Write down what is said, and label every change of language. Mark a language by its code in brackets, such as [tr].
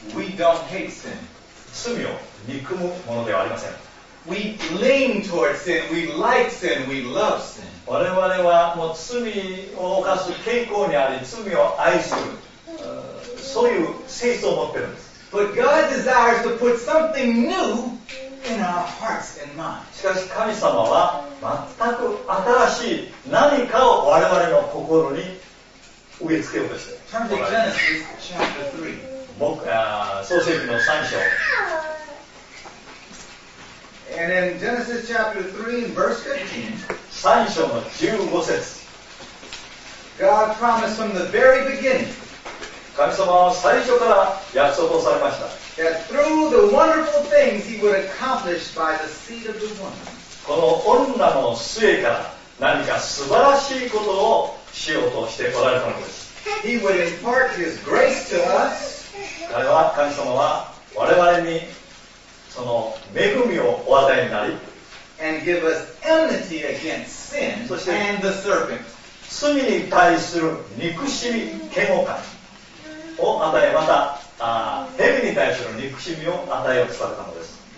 [en] We don't hate sin. [ja] 罪を憎むものではありません。 [en] We lean towards sin. We like sin. We love sin. [ja] 我々はもう罪を犯す傾向にあり、罪を愛する、そういう性質を持っているんです。 [en] But God desires to put something new in our hearts and minds. [ja] しかし神様は全く新しい何かを我々の心に植え付けようとしている。 [en] Turn to Genesis chapter 3. [ja] 僕は創世記の3章。 [en] And in Genesis chapter 3, verse 15, [ja] 三章の十五節、 [en] God promised from the very beginning, [ja] 神様は最初から約束をされました。 [en] That through the wonderful things he would accomplish by the seed of the woman. [ja] この女の末から何か素晴らしいことをしようとしておられたのです。 [en] He would impart his grace to us. [ja] 神様は我々にその恵みをお与えになり、 [en] and give us enmity against sin and the serpent. [ja] 罪に対する憎しみ、嫌悪感を与え、また蛇に対する憎しみを与えようとされたのです。